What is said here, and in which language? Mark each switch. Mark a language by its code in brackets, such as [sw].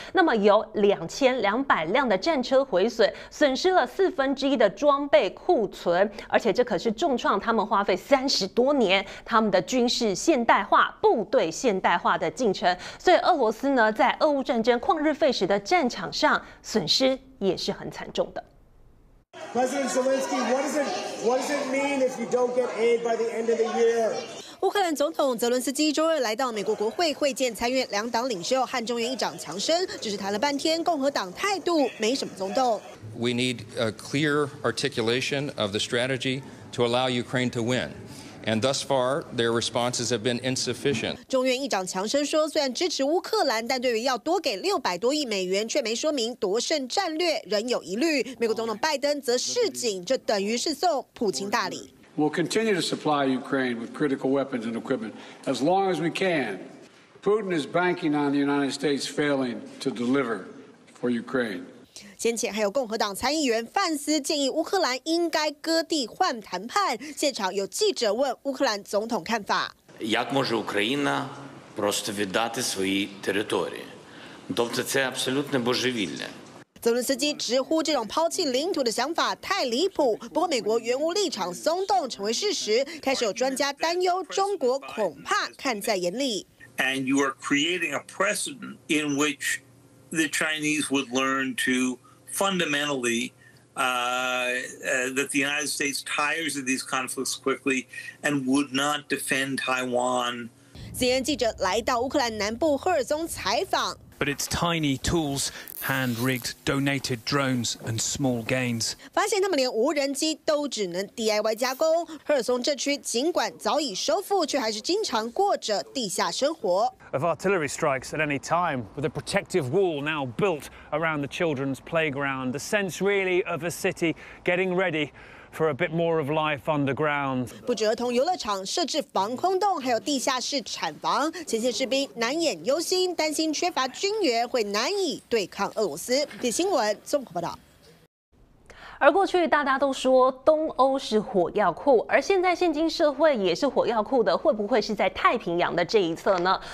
[zh] 那么有2200辆的战车毁损，损失了1/4的装备库存，而且这可是重创他们花费30多年他们的军事现代化、部队现代化的进程。所以俄罗斯呢，在俄乌战争旷日费时的战场上，损失也是很惨重的。 [en] President Zelensky, what does it mean if you don't get aid by the end of the year? [zh] 乌克兰总统泽伦斯基周二来到美国国会会见参院两党领袖和众院议长强生，只是谈了半天，共和党态度没什么松动。 [en] We need a clear articulation of the strategy to allow Ukraine to win. And thus far, their responses have been insufficient. [zh] 众院议长强生说，虽然支持乌克兰，但对于要多给600多亿美元，却没说明夺胜战略，仍有疑虑。美国总统拜登则示警，这等于是送普京大礼。 [en] We'll continue to supply Ukraine with critical weapons and equipment as long as we can. Putin is banking on the United States failing to deliver for Ukraine. [zh] 先前还有共和党参议员范斯建议乌克兰应该割地换谈判。现场有记者问乌克兰总统看法。 [uk] Як може Україна просто віддати свої території? Тобто це абсолютно божевільне。 [zh] 泽伦斯基直呼这种抛弃领土的想法太离谱，不过美国原无立场松动成为事实，开始有专家担忧中国恐怕看在眼里。 [en] And you are creating a precedent in which the Chinese would learn to fundamentally that the United States tires of these conflicts quickly and would not defend Taiwan. [zh] CNN 记者来到乌克兰南部赫尔松采访。 [en] But it's tiny tools, hand-rigged, donated drones, and small gains. [zh] 发现他们连无人机都只能 DIY 加工。赫尔松这区尽管早已收复，却还是经常过着地下生活。 [en] Of artillery strikes at any time, with a protective wall now built around the children's playground, the sense really of a city getting ready. For a bit more of life underground. [zh] 不止儿童游乐场设置防空洞，还有地下室产房。前线士兵难掩忧心，担心缺乏军援会难以对抗俄罗斯。 《新闻》综合报道。而过去大家都说东欧是火药库，而现在现今社会也是火药库的，会不会是在太平洋的这一侧呢？